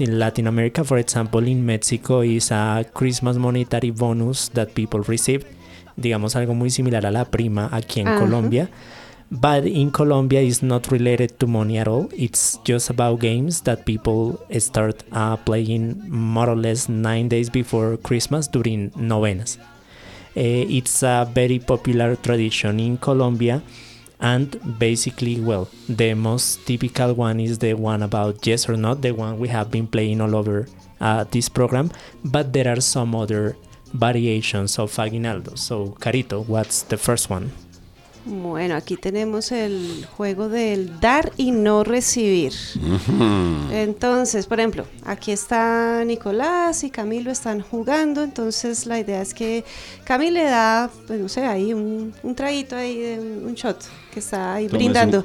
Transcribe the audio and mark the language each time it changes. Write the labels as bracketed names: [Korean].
[English] In Latin America, for example, in Mexico, is a Christmas monetary bonus that people receive. [Spanish] Digamos algo muy similar a la prima aquí en Colombia. [English] But in Colombia, it's not related to money at all. It's just about games that people start playing more or less 9 days before Christmas during novenas. It's a very popular tradition in Colombia. And basically, well, the most typical one is the one about yes or not, the one we have been playing all over this program. But there are some other variations of Aguinaldo. So, Carito, what's the first one? [Spanish] Bueno, aquí tenemos el juego del dar y no recibir. Entonces, por ejemplo, aquí está Nicolás y Camilo están jugando. Entonces, la idea es que Camilo le da, pues no sé, ahí un traguito ahí, un shot que está ahí brindando.